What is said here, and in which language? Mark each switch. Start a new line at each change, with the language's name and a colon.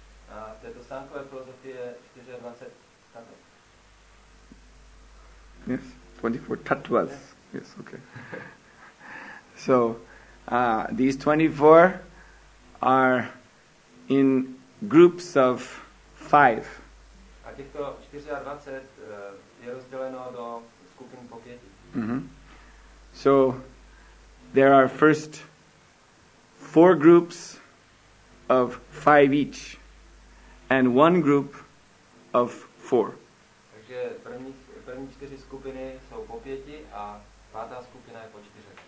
Czech: A v této Sankhya filozofie je 24 tattvas.
English: Yes, 24 tattvas. Yes, okay. So, these 24 are in groups of 5.
Czech: A těchto 24 je rozděleno do skupin po pěti. Mm-hmm.
English: So, there are first 4 groups of 5 each, and 1 group of 4.
Czech: Takže první čtyři skupiny jsou po pěti a pátá skupina je po čtyřech.